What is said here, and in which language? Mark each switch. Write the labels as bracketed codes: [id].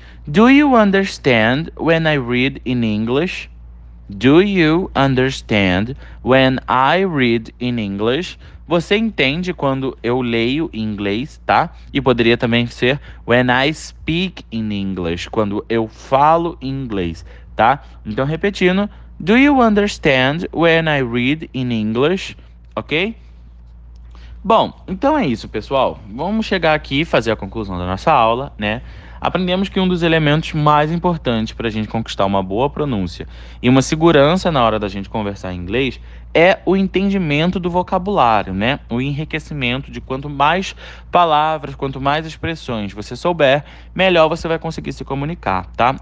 [en] Do you understand when I read in English? Do you understand when I read in English? [pt] Você entende quando eu leio em inglês, tá? E poderia também ser [en] when I speak in English, [pt] quando eu falo em inglês, tá? Então, repetindo, [en] do you understand when I read in English? [pt] Ok? Bom, então é isso, pessoal. Vamos chegar aqui e fazer a conclusão da nossa aula, né? Aprendemos que um dos elementos mais importantes para a gente conquistar uma boa pronúncia e uma segurança na hora da gente conversar em inglês é o entendimento do vocabulário, né? O enriquecimento de quanto mais palavras, quanto mais expressões você souber, melhor você vai conseguir se comunicar, tá?